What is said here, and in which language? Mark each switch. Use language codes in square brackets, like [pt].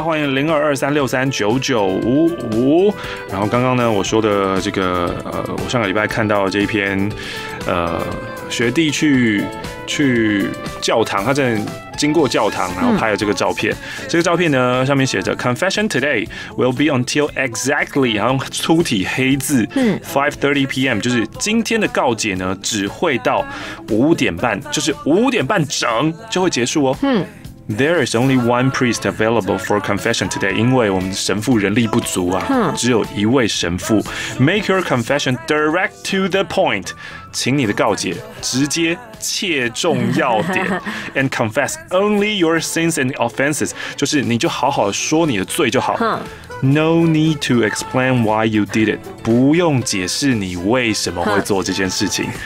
[zh] 欢迎02236399555。然后刚刚呢，我说的这个我上个礼拜看到这一篇，学弟去教堂，他在经过教堂，然后拍了这个照片。这个照片呢，上面写着 [en] "Confession today will be until exactly"， [zh] 然后粗体黑字 5:30 p.m.， 就是今天的告解呢，只会到5:30，就是5:30整就会结束哦。 [en] There is only one priest available for confession today. [zh] 因为我们神父人力不足啊，只有一位神父。 [en] Make your confession direct to the point. [zh] 请你的告解直接切中要点。 [en] And confess only your sins and offenses. [zh] 就是你就好好说你的罪就好。 [en] No need to explain why you did it. [zh] 不用解释你为什么会做这件事情。